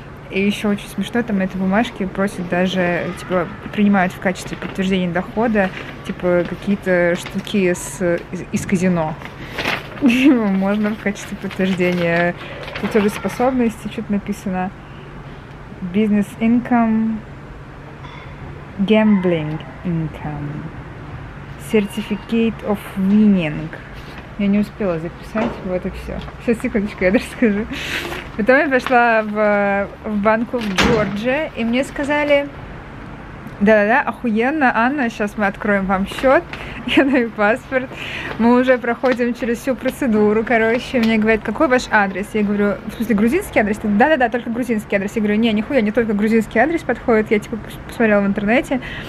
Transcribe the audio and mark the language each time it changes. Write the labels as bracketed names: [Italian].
[Russian] И еще очень смешно, там это бумажки просят даже, типа, принимают в качестве подтверждения дохода, типа, какие-то штуки из казино. Можно в качестве подтверждения платежеспособности, что-то написано. [English] Business income, gambling income, certificate of winning. [Russian] Я не успела записать, вот и все. Сейчас, секундочку, я даже скажу. Потом я пошла в банку в Джорджии, и мне сказали... Да-да-да, охуенно, Анна, сейчас мы откроем вам счет, я даю паспорт, мы уже проходим через всю процедуру, короче, мне говорят, какой ваш адрес, я говорю, в смысле, грузинский адрес, да-да-да, только грузинский адрес, я говорю, не, нихуя, не только грузинский адрес подходит, я типа посмотрела в интернете,